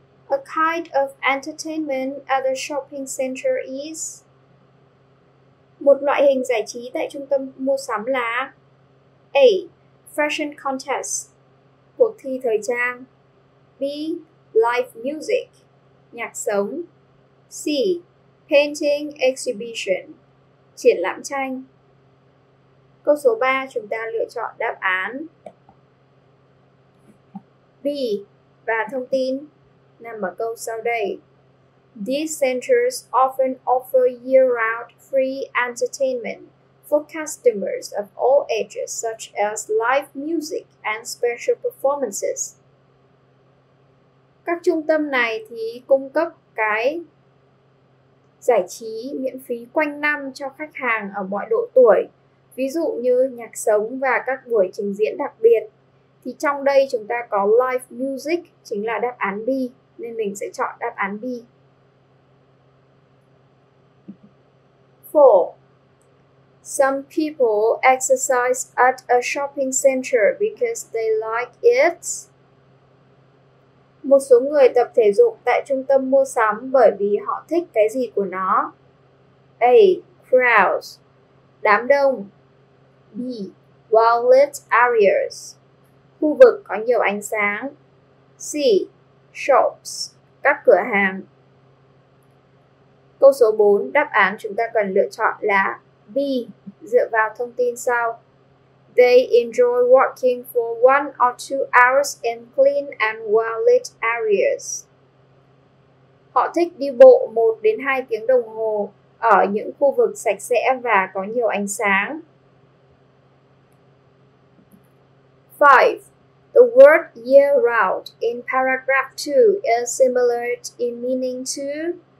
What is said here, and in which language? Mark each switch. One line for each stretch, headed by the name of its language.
English: A kind of entertainment at the shopping center is?
Vietnamese: Một loại hình giải trí tại trung tâm mua sắm là A. Fashion contest, cuộc thi thời trang.
English: B. Live music, nhạc sống. C.
Vietnamese: Painting exhibition, triển lãm tranh. Câu số 3 chúng ta lựa chọn đáp án B. Và thông tin nằm ở câu sau đây.
English: These centers often offer year-round free entertainment for customers of all ages, such as live music and special performances.
Vietnamese: Các trung tâm này thì cung cấp cái giải trí miễn phí quanh năm cho khách hàng ở mọi độ tuổi, ví dụ như nhạc sống và các buổi trình diễn đặc biệt. Thì trong đây chúng ta có live music, chính là đáp án B, nên mình sẽ chọn đáp án B. 4.
English: Some people exercise at a shopping center because they like it.
Vietnamese: Một số người tập thể dục tại trung tâm mua sắm bởi vì họ thích cái gì của nó.
English: A. Crowds. Đám đông. B. Well-lit areas.
Vietnamese: Khu vực có nhiều ánh sáng.
English: C. Shops. Các cửa hàng.
Vietnamese: Câu số 4, đáp án chúng ta cần lựa chọn là B, dựa vào thông tin sau.
English: They enjoy walking for 1 or 2 hours in clean and well-lit areas.
Vietnamese: Họ thích đi bộ 1 đến 2 tiếng đồng hồ ở những khu vực sạch sẽ và có nhiều ánh sáng.
English: 5. The word year-round in paragraph 2 is similar in meaning to.